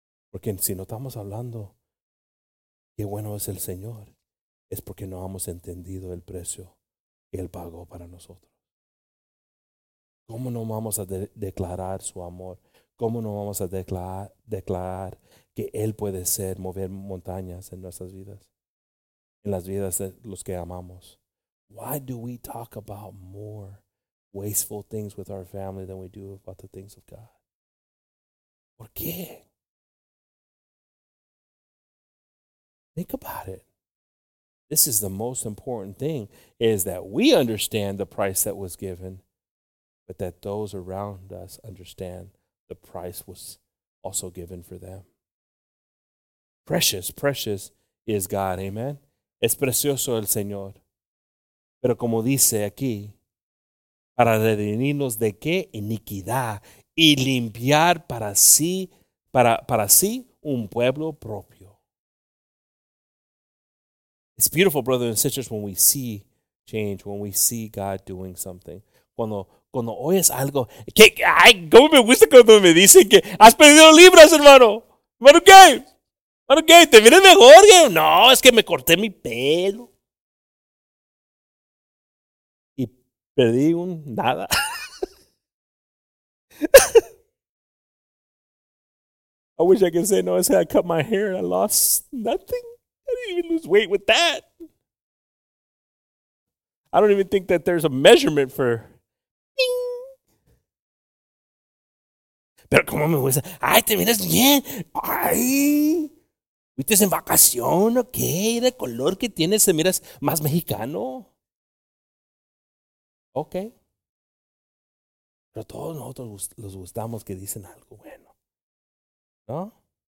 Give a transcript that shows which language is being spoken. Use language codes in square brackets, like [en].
[es] Porque si no estamos hablando qué bueno es el Señor, es porque no hemos entendido el precio que Él pagó para nosotros. ¿Cómo no vamos a declarar su amor? ¿Cómo no vamos a declarar que Él puede ser mover montañas en nuestras vidas, en las vidas de los que amamos? [en] Why do we talk about more wasteful things with our family than we do about the things of God? [es] ¿Por qué? [en] Think about it. This is the most important thing, is that we understand the price that was given, but that those around us understand the price was also given for them. Precious, precious is God, amen? [es] Es precioso el Señor. Pero como dice aquí, para redimirnos de qué iniquidad y limpiar para sí un pueblo propio. [en] It's beautiful, brothers and sisters, when we see change, when we see God doing something. [es] Cuando oyes algo, ¿cómo me gusta cuando me dicen que has perdido libras, hermano? ¿Hermano qué? ¿Hermano qué? ¿Te viene mejor? No, es que me corté mi pelo. Y perdí un nada. [en] I wish I could say, no, I said I cut my hair and I lost nothing. I didn't even lose weight with that. I don't even think that there's a measurement for... [es] Pero como me gusta, ay, te miras bien, ay, ¿viste en vacación o qué? ¿De color que tienes? ¿Te miras más mexicano? Ok. Pero todos nosotros los gustamos que dicen algo bueno, ¿no?